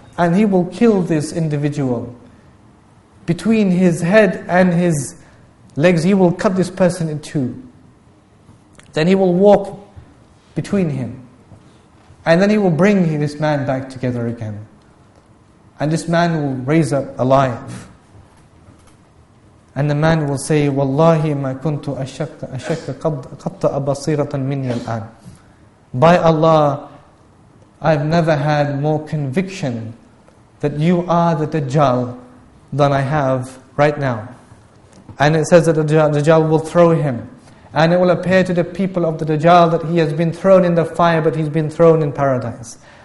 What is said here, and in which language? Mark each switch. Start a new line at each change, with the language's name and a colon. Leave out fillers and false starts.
English: And he will kill this individual. Between his head and his legs, he will cut this person in two. Then he will walk between him. And then he will bring this man back together again. And this man will raise up alive. And the man will say,
Arabic: وَاللَّهِ مَا كُنْتُ أَشَكَّ قَطَّ أَبَصِيرَةً مِنِّي الْآنِ.
English: By Allah, I've never had more conviction that you are the Dajjal than I have right now. And it says that the Dajjal will throw him. And it will appear to the people of the Dajjal that he has been thrown in the fire, but he's been thrown in paradise.